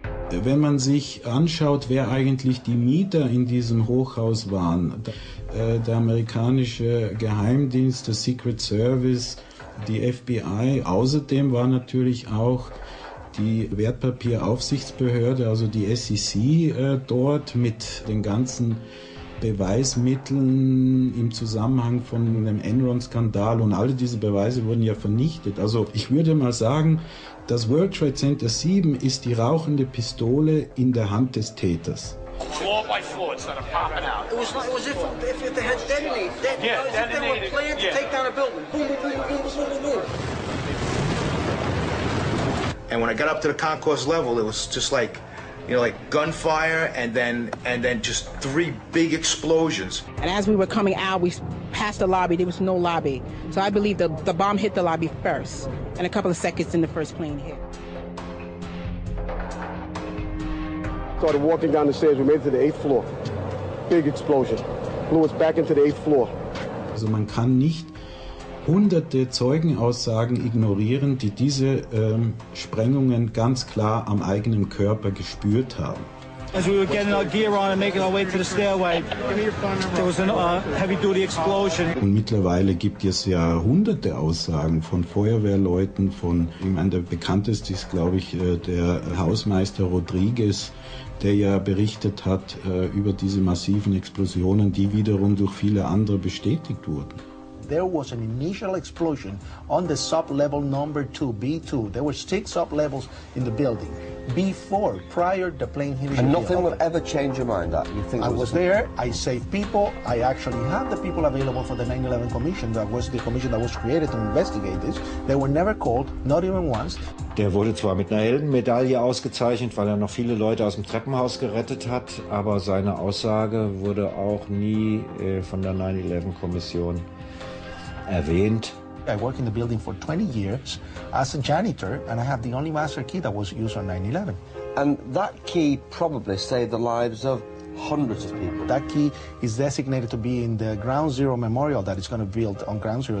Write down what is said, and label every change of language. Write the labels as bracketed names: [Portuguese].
[German] Wenn man sich anschaut, wer eigentlich die Mieter in diesem Hochhaus waren, der amerikanische Geheimdienst, der Secret Service, die FBI, außerdem war natürlich auch die Wertpapieraufsichtsbehörde, also die SEC, dort mit den ganzen Beweismitteln im Zusammenhang von einem Enron-Skandal, und alle diese Beweise wurden ja vernichtet. Also ich würde mal sagen, das World Trade Center 7 ist die rauchende Pistole in der Hand des Täters. [English] Floor by floor, it's not popping out. It was like as if they had detonated. Yeah, as if they were planning to take down a building. Boom, boom, boom, boom, boom, boom, boom, boom. And when I got up to the concourse level, it was just like, you know, like gunfire and then just three big explosions. And as we were coming out, we passed the lobby. There was no lobby. So I believe the bomb hit the lobby first. And a couple of seconds in the first plane hit. Started walking down the stairs. We made it to the 8th floor. Big explosion. Blew us back into the 8th floor. [German] Also man kann nicht hunderte Zeugenaussagen ignorieren, die diese Sprengungen ganz klar am eigenen Körper gespürt haben. [English] As we were getting our gear on and making our way to the stairway, there was a heavy-duty explosion. [German] Und mittlerweile gibt es ja hunderte Aussagen von Feuerwehrleuten, von, ich meine, der bekannteste ist, glaube ich, der Hausmeister Rodriguez, der ja berichtet hat über diese massiven Explosionen, die wiederum durch viele andere bestätigt wurden. [English] There was an initial explosion on the sub-level number 2, B2. There were 6 sub-levels in the building before, prior to the plane hitting. And nothing will ever change your mind, that you think I was there, I saved people, I actually had the people available for the 9/11 commission, that was the commission that was created to investigate this. They were never called, not even once. [German] Der wurde zwar mit einer Heldenmedaille ausgezeichnet, weil er noch viele Leute aus dem Treppenhaus gerettet hat, aber seine Aussage wurde auch nie von der 9/11-Kommission erwähnt. [English] I work in the building for 20 years as a janitor and I have the only master key that was used on 9/11. And that key probably saved the lives of hundreds of people. That key is designated to be in the Ground Zero Memorial that is going to be built on Ground Zero.